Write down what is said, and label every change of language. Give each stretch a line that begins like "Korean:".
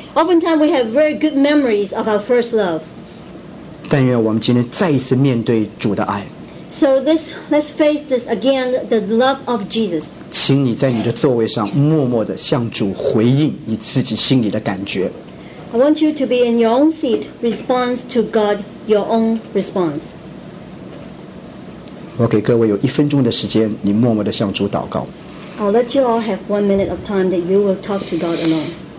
English: Oftentimes we have very good memories of our first love.
Chinese: 但愿我们今天再一次面对主的爱。
English: So let's face this again, the love of Jesus.
Chinese: 请你在你的座位上默默地向主回应你自己心里的感觉。
English: I want you to be in your own seat, response to God, your own response.
Chinese: 我给各位有一分钟的时间，你默默地向主祷告。
English: I'll let you all have 1 minute of time that you will talk to God alone.